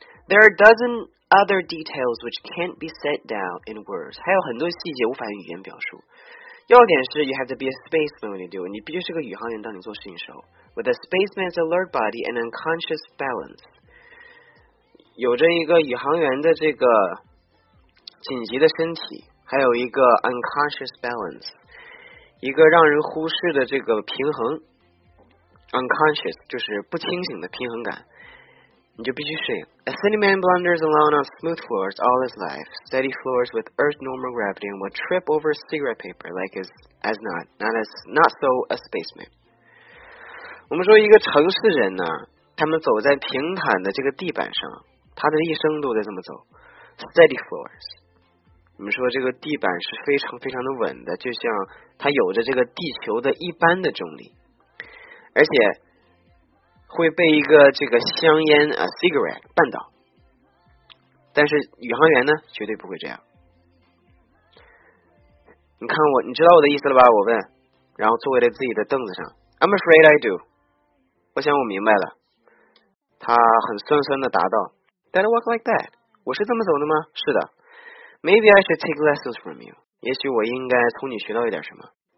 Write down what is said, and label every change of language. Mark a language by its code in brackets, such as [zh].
[en] There are a dozen other details which can't be set down in words. [zh] 还有很多细节无法用语言表述。要点是 [en] you have to be a spaceman when you do. [zh] 你必须是个宇航员当你做事情的时候。 [en] With a spaceman's alert body and unconscious balance. [zh] 有着一个宇航员的这个紧急的身体，还有一个 [en] unconscious balance. [zh] 一个让人忽视的这个平衡。Unconscious 就是不清醒的平衡感。你就必须适应。 [en] A city man blunders alone on smooth floors all his life. Steady floors with Earth's normal gravity and will trip over cigarette paper like his as not. Not as not so a spaceman. [zh] 我们说一个城市人呢，他们走在平坦的这个地板上，他的一生都在这么走。 [en] Steady floors. [zh] 我们说这个地板是非常非常的稳的，就像它有着这个地球的一般的重力。而且会被一个这个香烟啊 cigarette 绊倒，但是宇航员呢绝对不会这样。你看我，你知道我的意思了吧？我问，然后坐在自己的凳子上。 [en] I'm afraid I do。 [zh] 我想我明白了。他很酸酸的答道 ， [en] Did I walk like that？ [zh] 我是这么走的吗？是的。 [en] Maybe I should take lessons from you。 [zh] 也许我应该从你学到一点什么。